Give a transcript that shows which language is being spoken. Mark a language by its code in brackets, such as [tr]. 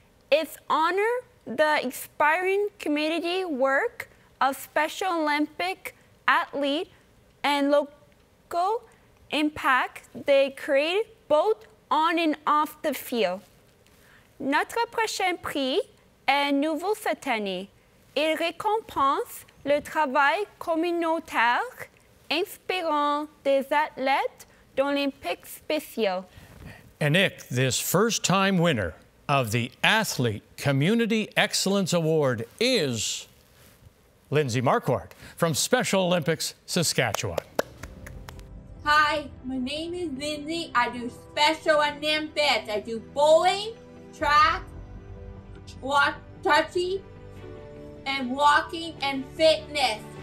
[en] It's honor the inspiring community work of Special Olympic athlete and local impact they create both on and off the field. [fr] Notre prochain prix est nouveau cette année. Il récompense le travail communautaire inspirant des athlètes d'Olympiques spéciaux. [en] And Nick, this first-time winner of the Athlete Community Excellence Award is Lindsay Marquardt from Special Olympics Saskatchewan. Hi, my name is Lindsay. I do Special Olympics. I do bowling, track, walk, touchy, and walking and fitness.